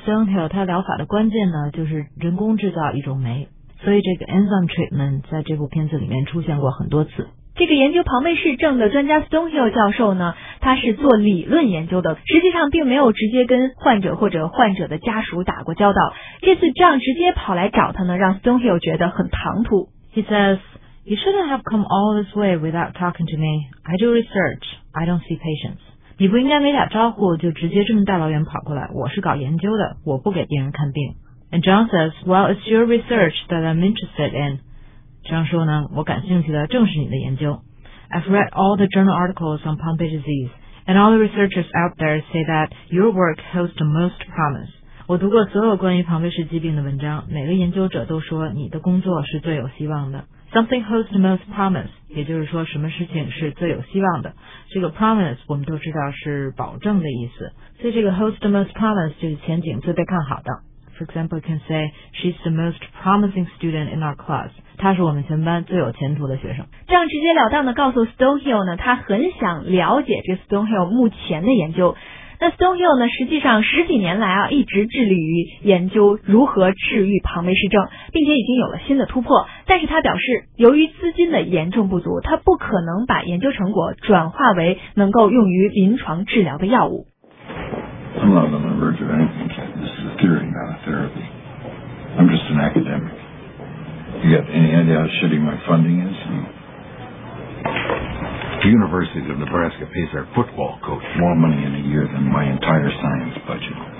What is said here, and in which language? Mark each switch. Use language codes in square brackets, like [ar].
[zh] Stonehill 他疗法的关键呢就是人工制造一种酶，所以这个 enzyme treatment 在这部片子里面出现过很多次。这个研究庞贝氏症的专家 Stonehill 教授呢，他是做理论研究的，实际上并没有直接跟患者或者患者的家属打过交道。这次 John 直接跑来找他呢，让 Stonehill 觉得很唐突。 [en] He says, "You shouldn't have come all this way without talking to me. I do research. I don't see patients." [zh] 你不应该没打招呼就直接这么大老远跑过来。我是搞研究的，我不给病人看病。 [en] And John says, well, it's your research that I'm interested in. [zh] John 说呢，我感兴趣的正是你的研究。 [en] I've read all the journal articles on Pompe disease, and all the researchers out there say that your work holds the most promise. [zh] 我读过所有关于庞贝氏疾病的文章，每个研究者都说你的工作是最有希望的。 [en] Something holds the most promise, [zh] 也就是说什么事情是最有希望的。这个 promise 我们都知道是保证的意思，所以这个 holds the most promise 就是前景最被看好的。 [en] For example, you can say, she's the most promising student in our class. [zh] 她是我们全班最有前途的学生。这样直接了当的告诉 Stonehill 呢，他很想了解这个 Stonehill 目前的研究。那 Stonehill 呢，实际上十几年来啊，一直致力于研究如何治愈庞贝氏症，并且已经有了新的突破。但是他表示，由于资金的严重不足，他不可能把研究成果转化为能够用于临床治疗的药物。 [en] I'm not on the verge of anything, Ken. This is a theory, not a therapy. I'm just an academic. You got any idea how shitty my funding is? The University of Nebraska pays our football coach more money in a year than my entire science budget.